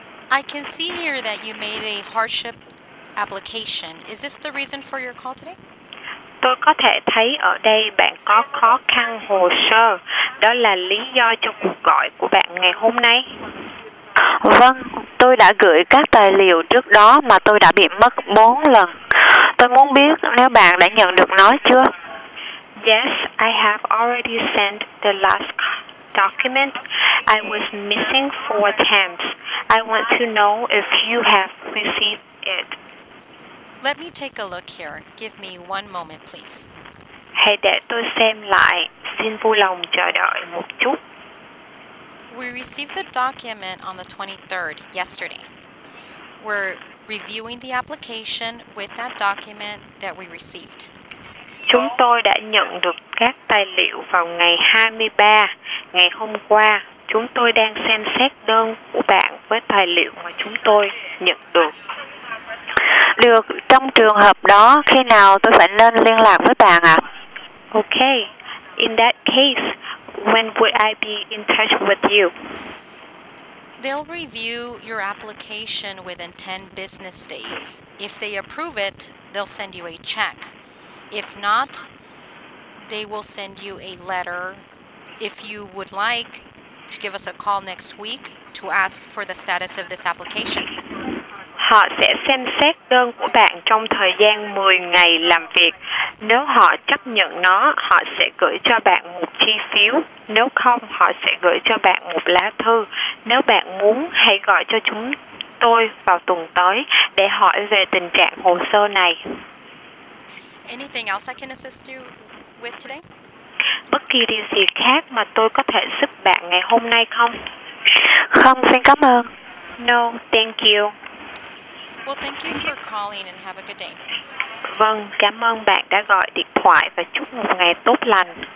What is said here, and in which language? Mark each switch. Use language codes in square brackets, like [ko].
[en] I can see here that you made a hardship application. Is this the reason for your call today? [vi] Tôi có thể thấy ở đây bạn có khó khăn hồ sơ. Đó là lý do cho cuộc gọi của bạn ngày hôm nay. Vâng, tôi đã gửi các tài liệu trước đó mà tôi đã bị mất 4 lần. Tôi muốn biết nếu bạn đã nhận được nó chưa? [en] Yes, I have already sent the last document. I was missing 4 times. I want to know if you have received it. Let me take a look here. Give me one moment, please. [vi] Hãy để tôi xem lại. Xin vui lòng chờ đợi một chút. [en] We received the document on the 23rd, yesterday. We're reviewing the application with that document that we received. [vi] Chúng tôi đã nhận được các tài liệu vào ngày 23, ngày hôm qua. Chúng tôi đang xem xét đơn của bạn với tài liệu mà chúng tôi nhận được. Được, trong trường hợp đó, khi nào tôi phải nên liên lạc với bạn ạ? [en] Okay, in that case, when would I be in touch with you? They'll review your application within 10 business days. If they approve it, they'll send you a check. If not, they will send you a letter. If you would like to give us a call next week to ask for the status of this application. [vi] Họ sẽ xem xét đơn của bạn trong thời gian 10 ngày làm việc. Nếu họ chấp nhận nó, họ sẽ gửi cho bạn một chi phiếu. Nếu không, họ sẽ gửi cho bạn một lá thư. Nếu bạn muốn, hãy gọi cho chúng tôi vào tuần tới để hỏi về tình trạng hồ sơ này. [en] Anything else I can assist you with today? [vi] Bất kỳ điều gì khác mà tôi có thể giúp bạn ngày hôm nay không? Không, xin cảm ơn. [en] No, thank you. Well, thank you for calling and have a good day. [vi] Vâng, cảm ơn bạn đã gọi điện thoại và chúc một ngày tốt lành.